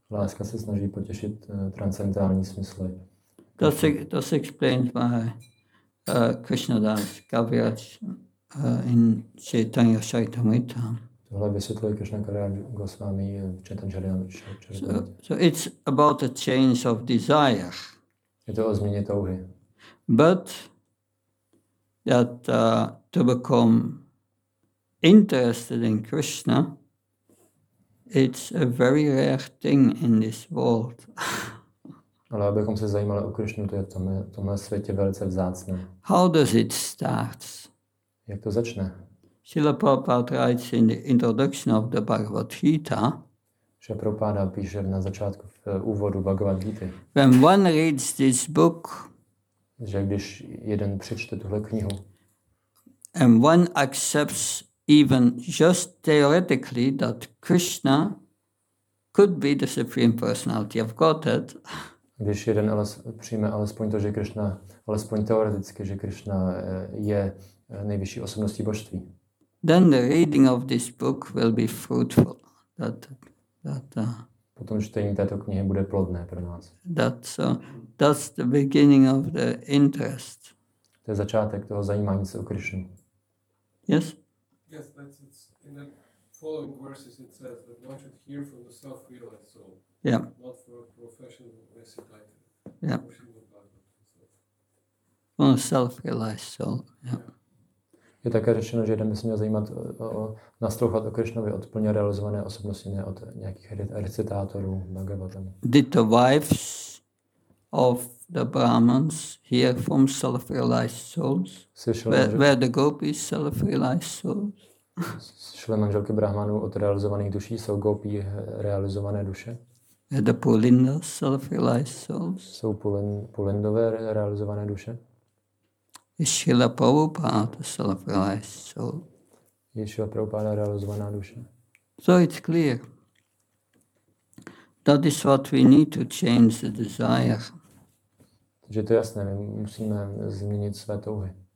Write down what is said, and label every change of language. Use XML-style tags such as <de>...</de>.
<cs>Láska se snaží potěšit transcendentální smysly.</cs> <en>That's explained by Krishna Das Kaviraj in Chaitanya Charitamrita.</en> <cs>Tohle vysvětluje Krishna Kaviraj Goswami v Chaitanya Charitamrita.</cs> <en>So it's about a change of desire.</en> <cs>Je to o změně touhy.</cs> <en>But that to become interested in Krishna, it's a very rare thing in this world.</en> <cs>Ale abychom se zajímali o Krishnu, to je v tomhle světě velice vzácné.</cs> <en>How does it start?</en> <cs>Jak to začne?</cs> <en>Srila Prabhupada writes in the introduction of the Bhagavad Gita.</en> <cs>Srila Prabhupada píše na začátku v úvodu Bhagavad Gita.</cs> <en>When one reads this book,</en> <cs>že když jeden přečte tuhle knihu,</cs> <en>and one accepts even just theoretically that Krishna could be the Supreme Personality of Godhead.</en> <cs>Když jeden přijme alespoň to, že Krishna, alespoň teoreticky, že Krishna je nejvyšší osobností božství.</cs> <en>Then the reading of this book will be fruitful.</en> <cs>Potom čtení této knihy bude plodné pro nás.</cs> <en>That's the beginning of the interest.</en> <cs>To je začátek toho zajímání se o Krishnu.</cs> <en>Yes? Yes, that's it's in the following verses it says that one should hear from the self-realized soul. Yeah. Not for a professional recitative. Yeah. On a self-realized soul. Yeah.</en> <cs>Je také řečeno, že jeden by se měl zajímat o naslouchat o Krišnovi od plně realizované osobnosti, ne od nějakých recitátorů Bhagavatam.</cs> <en>Did the wives of the Brahmins hear from self-realized souls? Where the gopis self-realized souls?</en> <cs>Slyšeli manželky Brahmanů od realizovaných duší, jsou gopí realizované duše?</cs> <en>Where the pulinda self-realized souls?</en> <cs>Jsou pulindové realizované duše?</cs> <en>Is Srila Prabhupada self-realized soul?</en> <cs>Je Srila Prabhupada realizovaná duše?</cs> <en>So it's clear. That is what we need to change the desire.</en> <cs>Takže to je jasné, my musíme změnit své touhy.</cs>